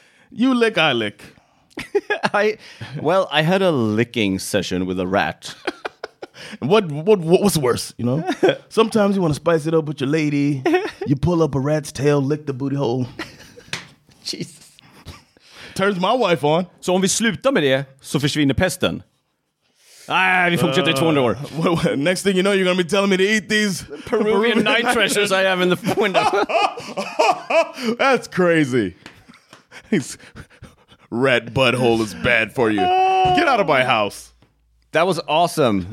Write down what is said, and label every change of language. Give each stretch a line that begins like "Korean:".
English: You lick, I lick. I had a licking session with a rat. What was worse, you know? Sometimes you want to spice it up with your lady. You pull up a rat's tail, lick the booty hole. Jesus. Turns my wife on.
Swedish: Så om vi slutar med det så försvinner pesten. Nej, vi fortsätter i 200 år.
English: Next thing you know, you're going to be telling me to eat these Peruvian night treasures I have in the window. That's crazy. Rat butthole is bad for you. Get out of my house. That was awesome.